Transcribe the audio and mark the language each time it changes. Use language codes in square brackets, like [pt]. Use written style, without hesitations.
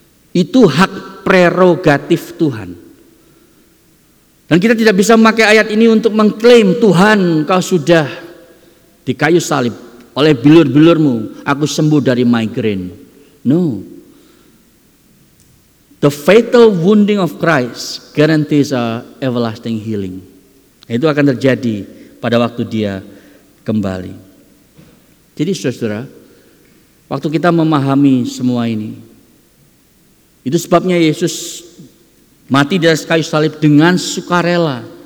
[id] Itu hak prerogatif Tuhan. Dan kita tidak bisa memakai ayat ini untuk mengklaim, Tuhan, Engkau sudah di kayu salib oleh bilur-bilurmu, aku sembuh dari migraine. [en] No. The fatal wounding of Christ guarantees our everlasting healing. [id] Itu akan terjadi pada waktu dia kembali. Jadi saudara, waktu kita memahami semua ini, itu sebabnya Yesus mati di atas kayu salib dengan sukarela.